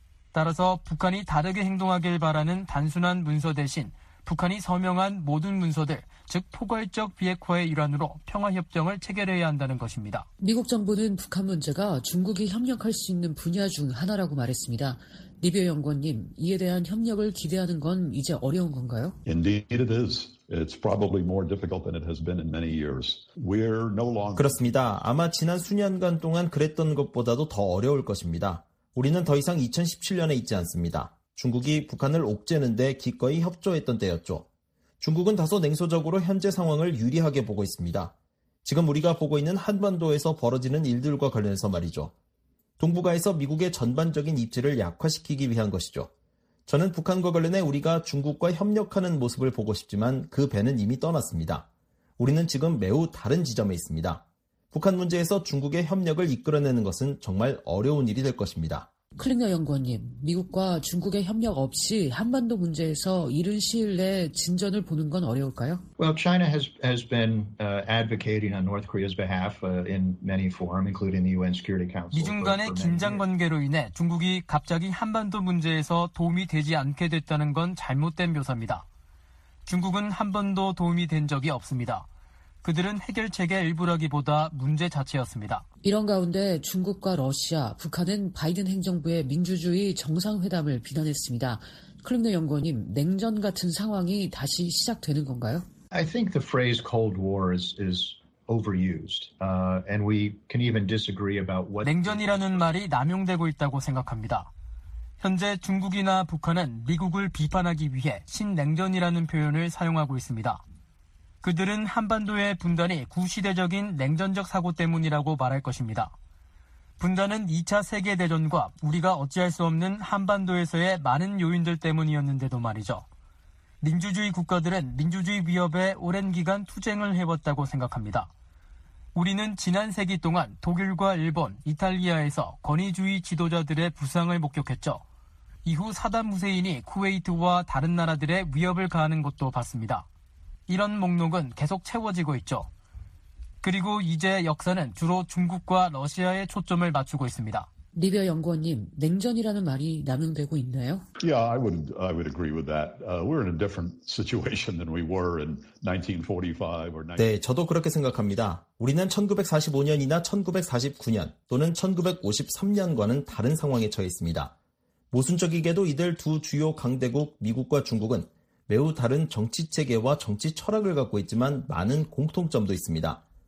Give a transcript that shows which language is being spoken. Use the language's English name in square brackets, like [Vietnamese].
[Korean] 따라서 북한이 다르게 행동하길 바라는 단순한 문서 대신 북한이 서명한 모든 문서들, 즉 포괄적 비핵화의 일환으로 평화협정을 체결해야 한다는 것입니다. 미국 정부는 북한 문제가 중국이 협력할 수 있는 분야 중 하나라고 말했습니다. 리비아 연구원님, 이에 대한 협력을 기대하는 건 이제 어려운 건가요? [English] Indeed it is. It's probably more difficult than it has been in many years. We're no longer [Korean] 그렇습니다. 아마 지난 수년간 동안 그랬던 것보다도 더 어려울 것입니다. 우리는 더 이상 2017년에 있지 않습니다. 중국이 북한을 옥죄는 데 기꺼이 협조했던 때였죠. 중국은 다소 냉소적으로 현재 상황을 유리하게 보고 있습니다. 지금 우리가 보고 있는 한반도에서 벌어지는 일들과 관련해서 말이죠. 동북아에서 미국의 전반적인 입지를 약화시키기 위한 것이죠. 저는 북한과 관련해 우리가 중국과 협력하는 모습을 보고 싶지만 그 배는 이미 떠났습니다. 우리는 지금 매우 다른 지점에 있습니다. 북한 문제에서 중국의 협력을 이끌어내는 것은 정말 어려운 일이 될 것입니다. 클링너 연구원님, 미국과 중국의 협력 없이 한반도 문제에서 이른 시일 내에 진전을 보는 건 어려울까요? [English] Well, China has been advocating on North Korea's behalf in many forms, including the UN Security Council. [Korean] 미중 간의 긴장 관계로 인해 중국이 갑자기 한반도 문제에서 도움이 되지 않게 됐다는 건 잘못된 묘사입니다. 중국은 한 번도 도움이 된 적이 없습니다. 그들은 해결책의 일부라기보다 문제 자체였습니다. 이런 가운데 중국과 러시아, 북한은 바이든 행정부의 민주주의 정상회담을 비난했습니다. 클링너 연구원님, 냉전 같은 상황이 다시 시작되는 건가요? [English] I think the phrase Cold War is overused. And we can even disagree about what [Korean] 냉전이라는 말이 남용되고 있다고 생각합니다. 현재 중국이나 북한은 미국을 비판하기 위해 신냉전이라는 표현을 사용하고 있습니다. 그들은 한반도의 분단이 구시대적인 냉전적 사고 때문이라고 말할 것입니다. 분단은 2차 세계대전과 우리가 어찌할 수 없는 한반도에서의 많은 요인들 때문이었는데도 말이죠. 민주주의 국가들은 민주주의 위협에 오랜 기간 투쟁을 해왔다고 생각합니다. 우리는 지난 세기 동안 독일과 일본, 이탈리아에서 권위주의 지도자들의 부상을 목격했죠. 이후 사담 후세인이 쿠웨이트와 다른 나라들의 위협을 가하는 것도 봤습니다. 이런 목록은 계속 채워지고 있죠. 그리고 이제 역사는 주로 중국과 러시아에 초점을 맞추고 있습니다. 리비아 연구원님, 냉전이라는 말이 남용되고 있나요? [English] Yeah, I would agree with that. We're in a different situation than we were in 1945 or [Korean] 네, 저도 그렇게 생각합니다. 우리는 1945년이나 1949년 또는 1953년과는 다른 상황에 처해 있습니다. 모순적이게도 이들 두 주요 강대국 미국과 중국은 매우 다른 정치 체계와 정치 철학을 갖고 있지만 많은 공통점도 있습니다.